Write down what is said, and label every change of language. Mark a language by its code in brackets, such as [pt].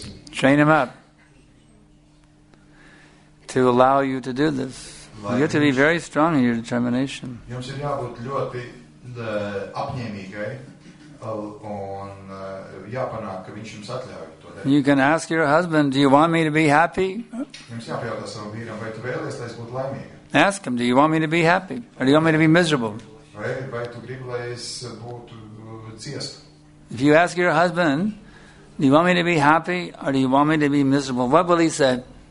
[en] Train him up to allow you to do this. You have to be very strong in your determination. [lv] Jums ir jābūt ļoti apņēmīgai un jāpanāk, ka viņš jums atļauj to darīt. [en] You can ask your husband, do you want me to be happy? [lv] Jums jāpajautā savam vīram, vai tu vēlies, lai es būtu laimīga? [en] Ask him, do you want me to be happy? Or do you want me to be miserable? [lv] Vai tu gribi, lai es būtu ciestu? [en] If you ask your husband, do you want me to be happy or do you want me to be miserable? What will he say?